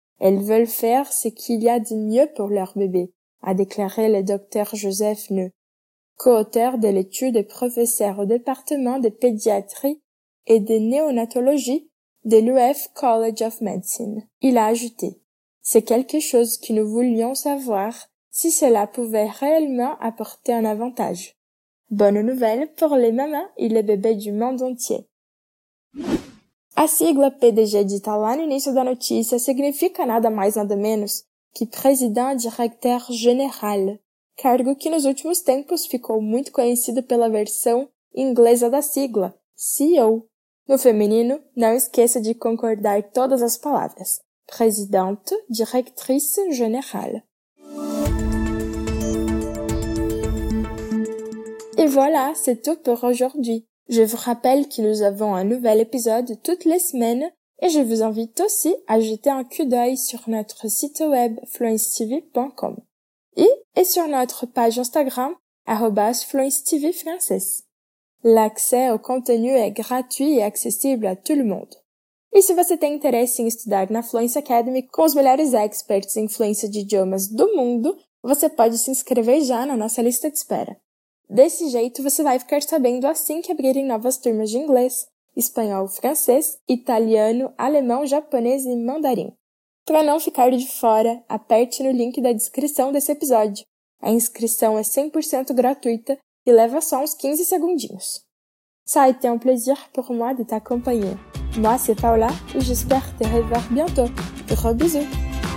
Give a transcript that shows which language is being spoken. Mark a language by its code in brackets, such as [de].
[fr] Elles veulent faire ce qu'il y a de mieux pour leur bébé, a déclaré le docteur Joseph Neu, co-auteur de l'étude et professeur au département de pédiatrie et de néonatologie de l'UF College of Medicine. Il a ajouté, c'est quelque chose que nous voulions savoir si cela pouvait réellement apporter un avantage. Bonne nouvelle pour les mamans et les bébés du monde entier. [pt] A sigla PDG dita lá no início da notícia significa nada mais nada menos que President Directeur General, cargo que nos últimos tempos ficou muito conhecido pela versão inglesa da sigla, CEO. No feminino, não esqueça de concordar todas as palavras. [fr] Presidente Directrice General. E voilà, c'est tout pour aujourd'hui. Je vous rappelle que nous avons un nouvel épisode toutes les semaines et je vous invite aussi à jeter un coup d'œil sur notre site web fluencetv.com et sur notre page Instagram @fluencetvfrançaises. L'accès au contenu est gratuit et accessible à tout le monde. Et si vous êtes intéressé à étudier [pt] na Fluence Academy com os melhores experts em fluência de idiomas do mundo, você pode se inscrever já na nossa lista de espera. Desse jeito, você vai ficar sabendo assim que abrirem novas turmas de inglês, espanhol, francês, italiano, alemão, japonês e mandarim. Para não ficar de fora, aperte no link da descrição desse episódio. A inscrição é 100% gratuita e leva só uns 15 segundinhos. [fr] Ça a été un plaisir pour moi de t'accompagner. Moi, c'est Paula et j'espère te revoir bientôt. Gros bisous!